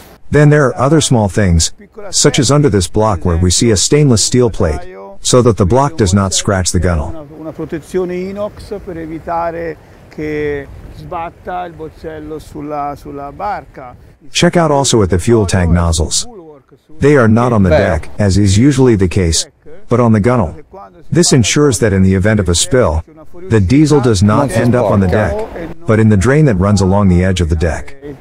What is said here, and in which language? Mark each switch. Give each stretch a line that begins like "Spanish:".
English: Then there are other small things, such as under this block where we see a stainless steel plate, so that the block does not scratch the gunwale.
Italian: Una protezione inox per evitare che sbatta il boccello sulla barca.
English: Check out also at the fuel tank nozzles. They are not on the deck, as is usually the case, but on the gunwale. This ensures that in the event of a spill, the diesel does not end up on the deck, but in the drain that runs along the edge of the deck.